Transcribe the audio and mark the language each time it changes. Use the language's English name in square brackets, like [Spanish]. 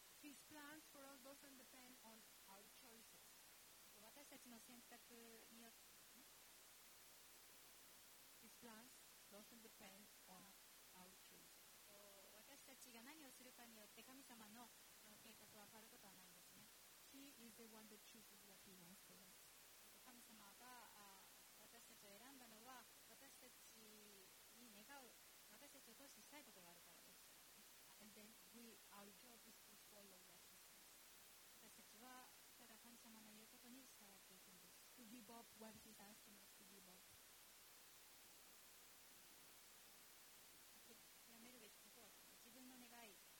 [English] His plans for us doesn't depend on our choices. [Japanese] 私たちの選択によって [English] His plans doesn't depend on our choices. [Japanese] 私たちが何をするかによって神様の計画は変わることはないんですね。 [English] He is the one that chooses what he wants for us. [Japanese] 神様が私たちを選んだのは私たちに願う私たちを通してしたいことがあるからです。 [English] And then our job is to follow what he says. [Japanese] 私たちはただ神様の言うことに従っていくんです。 [English] To give up what he is asking us to give up. [Japanese] 諦めるべきことは自分の願い。